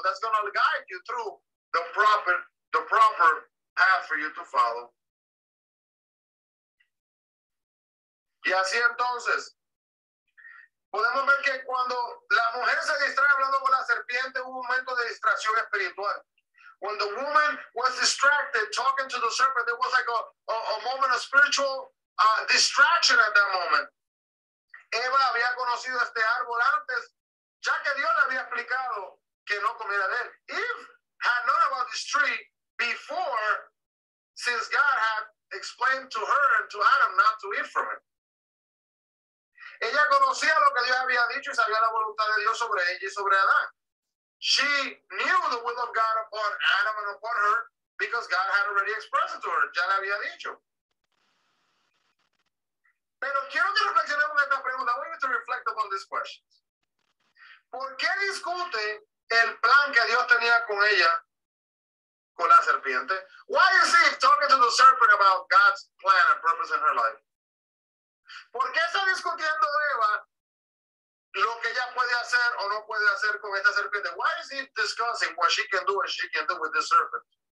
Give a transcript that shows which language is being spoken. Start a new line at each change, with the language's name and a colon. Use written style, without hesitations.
English: That's going to guide you through the proper path for you to follow.
Spanish: Y así entonces, podemos ver que cuando la mujer se distrae hablando con la serpiente, hubo un momento de distracción espiritual.
English: When the woman was distracted talking to the serpent, there was like a moment of spiritual distraction at that moment.
Spanish: Eva había conocido este árbol antes, ya que Dios le había explicado que no comiera de él.
English: Eve had known about this tree before, since God had explained to her and to Adam not to eat from it.
Spanish: Ella conocía lo que Dios había dicho y sabía la voluntad de Dios sobre ella y sobre Adán.
English: She knew the will of God upon Adam and upon her because God had already expressed it to her.
Spanish: Ya le había dicho. Pero quiero que reflexionemos en esta pregunta.
English: We need to reflect upon these questions.
Spanish: ¿Por qué discute el plan que Dios tenía con ella, con la serpiente?
English: Why is he talking to the serpent about God's plan and purpose in her life?
Spanish: ¿Por qué está discutiendo Eva lo que ella puede hacer o no puede hacer con esta serpiente?
English: Why is he discussing what she can do and she can do with the serpent?